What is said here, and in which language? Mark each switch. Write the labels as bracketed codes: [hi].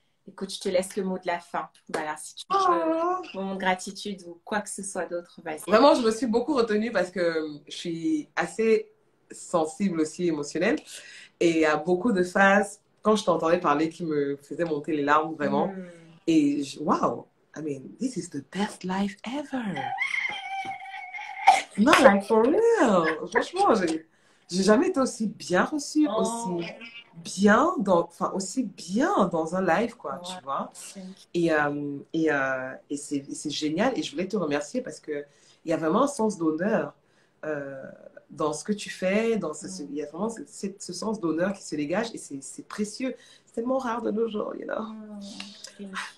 [fr] Écoute, je te laisse le mot de la fin. Voilà, si tu veux, mon gratitude ou quoi que ce soit d'autre, vas-y. Vraiment, je me suis beaucoup retenue parce que je suis assez sensible aussi, émotionnelle. Et il y a beaucoup de phases, quand je t'entendais parler, qui me faisaient monter les larmes, vraiment. [en] Et I mean, this is the best life ever. Non, like for real. [fr] Franchement, j'ai jamais été aussi bien reçue, aussi... bien dans, enfin aussi bien dans un live, quoi, wow. Tu vois, et c'est génial, et je voulais te remercier parce que il y a vraiment un sens d'honneur dans ce que tu fais, dans il y a vraiment ce sens d'honneur qui se dégage, et c'est précieux, c'est tellement rare de nos jours, you know.